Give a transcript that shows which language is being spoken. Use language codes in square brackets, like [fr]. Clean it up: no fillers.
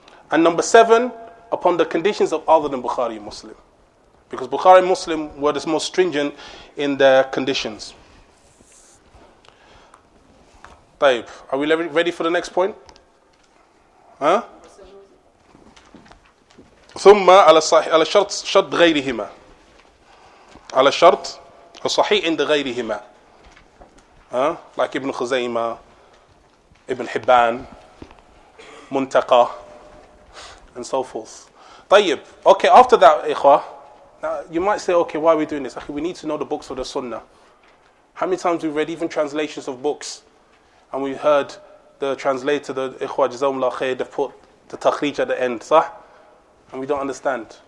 [en] And number seven, upon the conditions of other than Bukhari and Muslim. Because Bukhari and Muslim were the most stringent in their conditions. Taib, are we ready for the next point? [ar] ثم على صحيح على شرط شرط غيرهما على شرط صحيح عند غيرهما [en] like Ibn Khuzaima, Ibn Hibban, Muntaqa, and so forth. طيب, okay, after that, إخوة, you might say, okay, why are we doing this? Okay, we need to know the books of the Sunnah. How many times we've read even translations of books and we've heard the translator, the Ikhwa Jazawmullah Khair, they've put the takhrij at the end, sah? And we don't understand.